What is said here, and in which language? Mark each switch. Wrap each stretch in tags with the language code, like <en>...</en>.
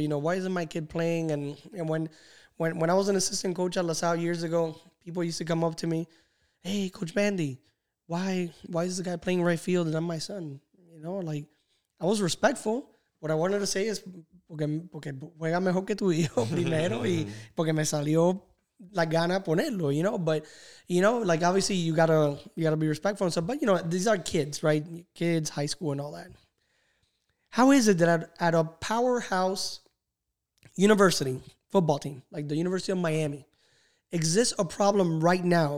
<en>You know, why isn't my kid playing? And when I was an assistant coach at La Salle years ago, people used to come up to me, hey, Coach Mandy, why is the guy playing right field and not my son? You know, like, I was respectful. What I wanted to say is,</en> <es>porque juega mejor que tu hijo primero y porque me salió la gana ponerlo,</es> <en>you know? But, you know, like, obviously, you gotta be respectful and stuff. But, you know, these are kids, right? Kids, high school and all that. How is it that at a powerhouse university football team, like the University of Miami, exists a problem right now?</en>